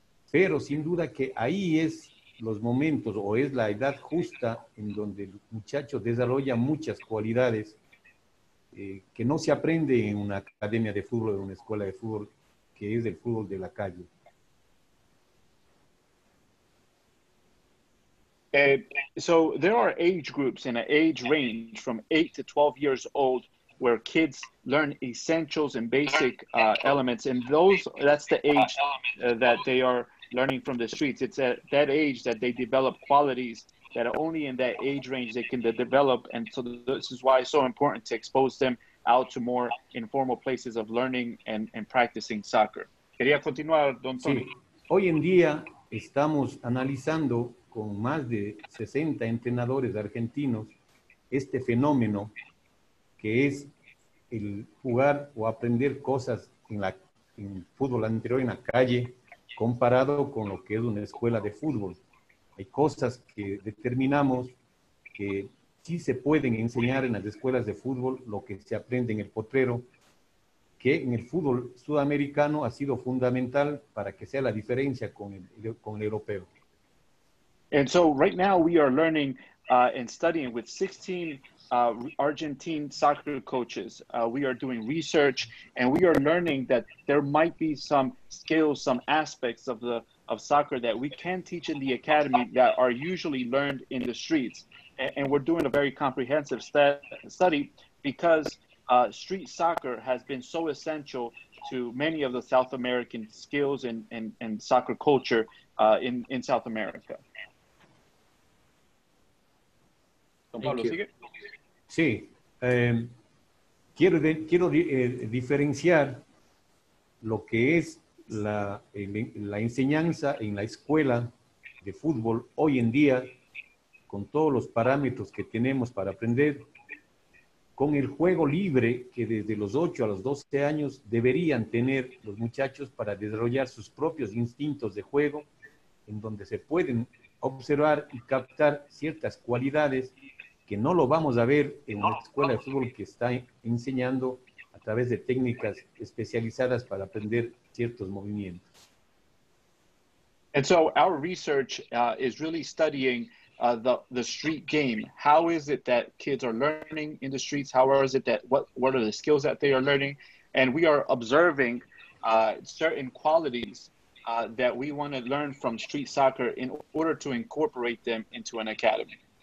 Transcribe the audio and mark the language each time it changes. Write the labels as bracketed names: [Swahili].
[Spanish] Pero sin duda que ahí es los momentos o es la edad justa en donde el muchacho desarrolla muchas cualidades que no se aprende en una academia de fútbol o en una escuela de fútbol, que es el fútbol de la calle. [English] So there are age groups in an age range from 8 to 12 years old where kids learn essentials and basic elements, and that's the age that they are learning from the streets. It's at that age that they develop qualities that are only in that age range they can develop, and so this is why it's so important to expose them out to more informal places of learning and practicing soccer. [Spanish] Quería continuar, Don Tony. Sí. Hoy en día estamos analizando con más de 60 entrenadores argentinos este fenómeno que es el jugar o aprender cosas en fútbol anterior en la calle comparado con lo que es una escuela de fútbol. Hay cosas que determinamos que sí se pueden enseñar en las escuelas de fútbol, lo que se aprende en el potrero, que en el fútbol sudamericano ha sido fundamental para que sea la diferencia con el europeo. [English] And so right now we are learning and studying with 16 Argentine soccer coaches. We are doing research and we are learning that there might be some skills, some aspects of soccer that we can teach in the academy that are usually learned in the streets. And we're doing a very comprehensive study because street soccer has been so essential to many of the South American skills and soccer culture in South America. [Spanish] Pablo, sí, quiero diferenciar lo que es la enseñanza en la escuela de fútbol hoy en día, con todos los parámetros que tenemos para aprender, con el juego libre que desde los 8 a los 12 años deberían tener los muchachos para desarrollar sus propios instintos de juego, en donde se pueden observar y captar ciertas cualidades que no lo vamos a ver en una escuela de fútbol que está enseñando a través de técnicas especializadas para aprender ciertos movimientos. [English] And so our research is really studying the street game. How is it that kids are learning in the streets? How is it that what are the skills that they are learning? And we are observing certain qualities that we want to learn from street soccer in order to incorporate them into an academy.